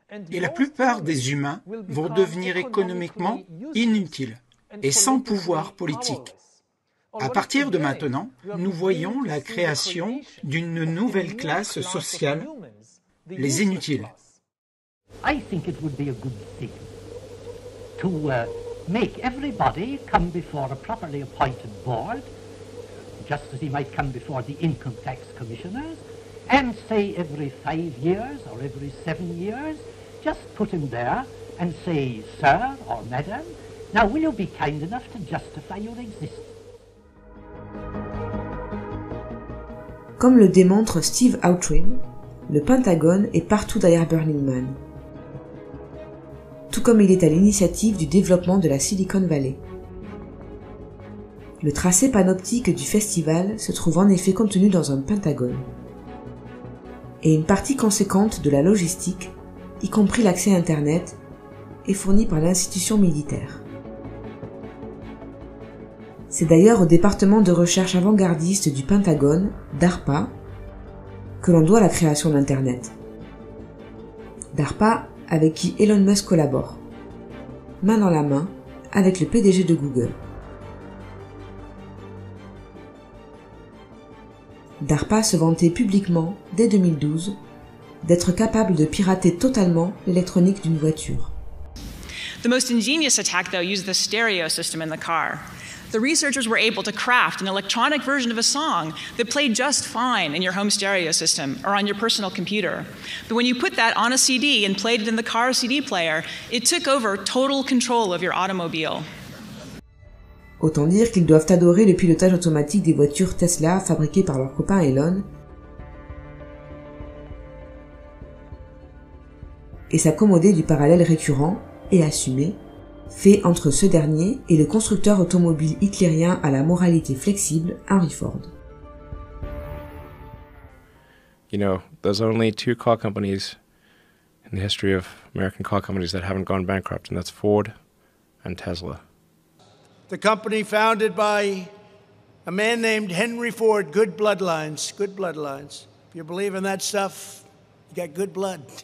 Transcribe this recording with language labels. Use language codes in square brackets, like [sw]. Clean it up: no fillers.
[fr] Et la plupart des humains vont devenir économiquement inutiles et sans pouvoir politique. À partir de maintenant, nous voyons la création d'une nouvelle classe sociale, les inutiles. [en] I think it would be a good thing to make everybody come before a properly appointed board, just as he might come before the income tax commissioners, and say every 5 years or every 7 years, just put him there and say, sir or madam, now will you be kind enough to justify your existence? [fr] Comme le démontre Steve Outrin, le Pentagone est partout derrière Burning Man, tout comme il est à l'initiative du développement de la Silicon Valley. Le tracé panoptique du festival se trouve en effet contenu dans un pentagone, et une partie conséquente de la logistique y compris l'accès à Internet, est fournie par l'institution militaire. C'est d'ailleurs au département de recherche avant-gardiste du Pentagone, DARPA, que l'on doit la création d'Internet. DARPA avec qui Elon Musk collabore, main dans la main avec le PDG de Google. DARPA se vantait publiquement, dès 2012, d'être capable de pirater totalement l'électronique d'une voiture. [en] The most ingenious attack, though, used the stereo system in the car. The researchers were able to craft an electronic version of a song that played just fine in your home stereo system or on your personal computer. But when you put that on a CD and played it in the car CD player, it took over total control of your automobile. [fr] Autant dire qu'ils doivent adorer le pilotage automatique des voitures Tesla fabriquées par leur copain Elon. Et s'accommoder du parallèle récurrent et assumé fait entre ce dernier et le constructeur automobile hitlérien à la moralité flexible, Henry Ford. [en] You know, there's only two car companies in the history of American car companies that haven't gone bankrupt, and that's Ford and Tesla. The company founded by a man named Henry Ford, good bloodlines, if you believe in that stuff, you got good blood.